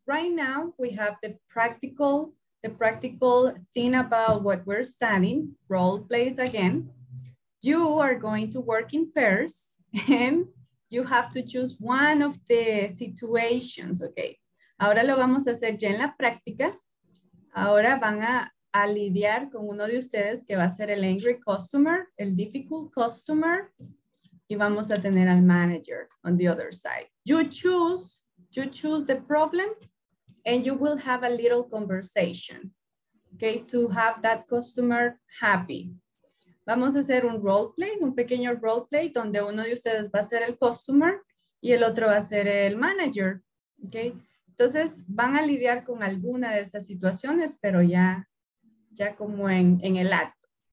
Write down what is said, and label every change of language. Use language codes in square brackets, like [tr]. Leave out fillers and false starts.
[en] Right now we have the practical thing about what we're studying, role plays again. You are going to work in pairs and you have to choose one of the situations, okay? [es] Ahora lo vamos a hacer ya en la práctica. Ahora van a lidiar con uno de ustedes que va a ser el angry customer, el difficult customer, y vamos a tener al manager on the other side. [en] You choose the problem and you will have a little conversation, okay, to have that customer happy. [es] Vamos a hacer un role play, un pequeño role play donde uno de ustedes va a ser el customer y el otro va a ser el manager, okay? Entonces van a lidiar con alguna de estas situaciones, pero ya como en el acto.